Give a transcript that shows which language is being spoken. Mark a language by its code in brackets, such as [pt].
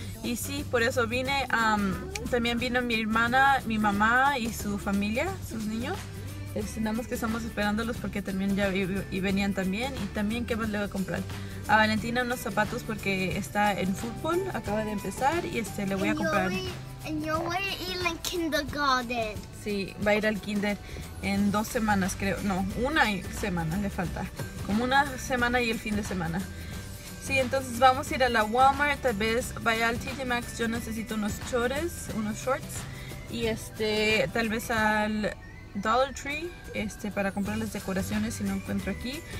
[es] Y sí, por eso vine. También vino mi hermana, mi mamá y su familia, sus niños. Nada más que estamos esperándolos porque también ya y venían también. Y también, ¿qué más le voy a comprar? A Valentina unos zapatos porque está en fútbol, acaba de empezar. Y le voy a comprar. [en] And you're in kindergarten. [es] Sí, va a ir al kinder en 2 semanas, creo. No, 1 semana le falta. Como 1 semana y el fin de semana. Sí, entonces vamos a ir a la Walmart, tal vez vaya al TJ Maxx, yo necesito unos shorts y tal vez al Dollar Tree para comprar las decoraciones si no encuentro aquí.